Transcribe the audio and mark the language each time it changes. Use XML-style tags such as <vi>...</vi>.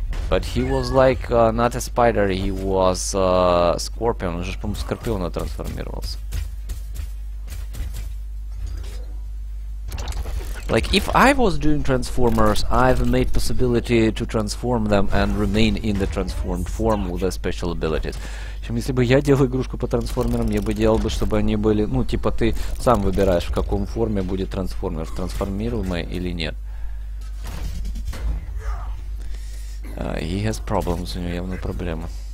<en>But he was like not a spider, he was scorpion.</en> <ru>Он же, по-моему, в скорпиона трансформировался.</ru> <en>Like, if I was doing Transformers, I've made possibility to transform them and remain in the transformed form with the special abilities.</en> <ru>Чем если бы я делал игрушку по трансформерам, я бы делал бы, чтобы они были... Ну, типа, ты сам выбираешь, в каком форме будет трансформер, в трансформируемой или нет.</ru> <en>He has problems,</en> <ru>у него явно проблемы.</ru>